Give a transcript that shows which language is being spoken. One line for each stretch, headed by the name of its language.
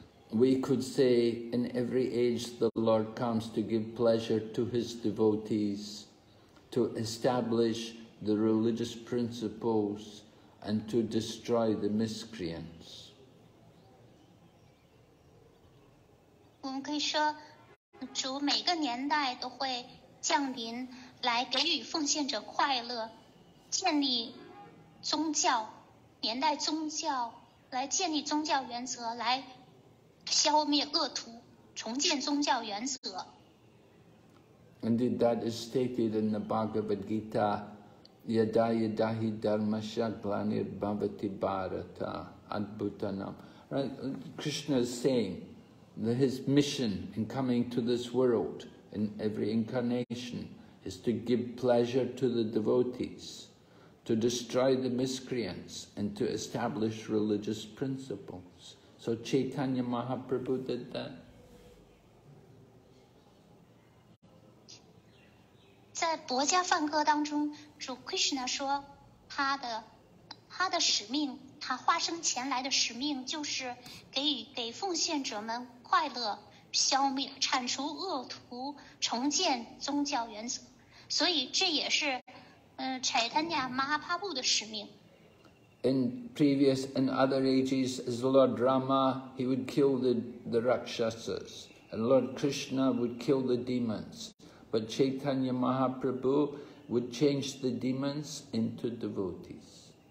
English: We could say, in every age, the Lord comes to give pleasure to His devotees, to establish the religious principles, and to destroy the miscreants. We could say,
Chinese: 主每个年代都会降临来给予奉献者快乐，建立宗教，年代宗教，来建立宗教原则，来消灭恶徒，重建宗教原则。
English: Indeed, that is stated in the Bhagavad Gita,
Sanskrit: "Yada yada hi dharma shaglanir bhavati bharata adbhutanam."
English: Right? Krishna is saying that his mission in coming to this world in every incarnation is to give pleasure to the devotees, to destroy the miscreants, and to establish religious principles. So Chaitanya Mahaprabhu did that.
Chinese: 在《薄伽梵歌》当中，主 Krishna 说，他的使命，他化身前来的使命就是给奉献者们快乐，消灭铲除恶徒，重建宗教原则。所以这也是，Chaitanya Mahaprabhu 的使命。
English: In other ages, as Lord Rama, he would kill the Rakshasas, and Lord Krishna would kill the demons. But Chaitanya Mahaprabhu would change the demons into devotees.